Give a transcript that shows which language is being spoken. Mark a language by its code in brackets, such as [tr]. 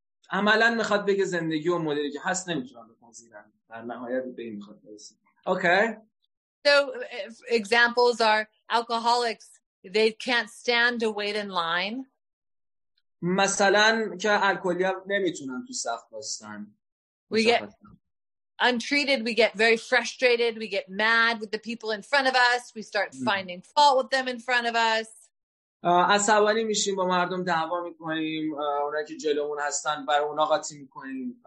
[fa] عملا میخواد بگه زندگی و مدلی که هست نمیتونن بپذیرن، در نهایت به این میخواد برسه. اوکی. [en] So examples are alcoholics, they can't stand to wait in line. [fa] مثلا که الکلی ها نمیتونن تو صف باستن. [en] We get untreated, we get very frustrated, we get mad with the people in front of us, we start finding fault with them in front of us. [fa] عصبانی میشیم، با مردم دعوا میکنیم، اونا که جلومون هستن برای اونا قاطی میکنیم.